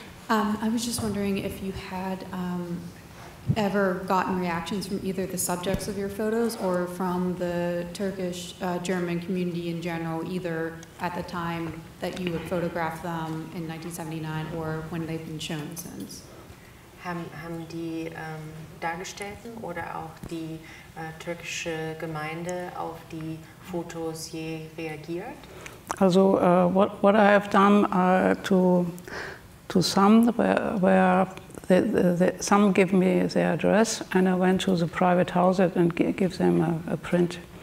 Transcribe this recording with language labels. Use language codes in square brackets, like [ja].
[en] I was just wondering if you had ever gotten reactions from either the subjects of your photos or from the Turkish German community in general, either at the time that you would photograph them in 1979 or when they've been shown since. [de] Haben die Dargestellten oder auch die türkische Gemeinde auf die Fotos je reagiert? [en] Also what I have done to some where some give me their address and I went to the private house and give them a print.